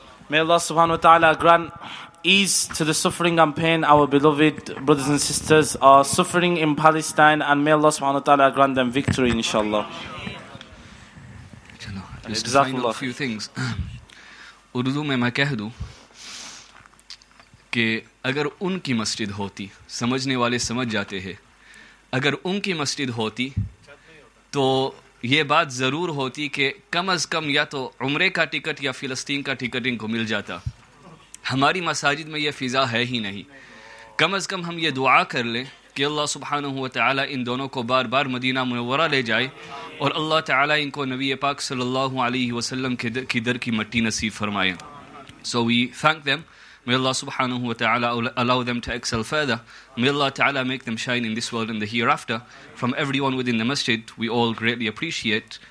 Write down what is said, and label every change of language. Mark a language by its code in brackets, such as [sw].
[en] May Allah subhanahu wa ta'ala grant ease to the suffering and pain our beloved brothers and sisters are suffering in Palestine, and may Allah subhanahu wa ta'ala grant them victory, inshallah. Just to find out a few things. [ur] Urdu mein main keh doon ke agar unki masjid hoti, samajhne wale samajh jate hai, agar unki masjid hoti, to یہ بات ضرور ہوتی کہ کم از کم یا تو عمرے کا ticket یا فلسطین کا ٹکٹ ان کو مل جاتا. ہماری مساجد میں یہ فضا ہے ہی نہیں. کم از کم ہم یہ دعا کر لیں کہ اللہ سبحانہ و تعالی ان دونوں کو بار بار مدینہ منورہ لے جائے اور اللہ تعالی ان کو نبی پاک صلی اللہ علیہ وسلم کی در کی مٹی نصیب فرمائے. [en] So we thank them. May Allah subhanahu wa ta'ala allow them to excel further. May Allah ta'ala make them shine in this world and the hereafter. From everyone within the masjid, we all greatly appreciate.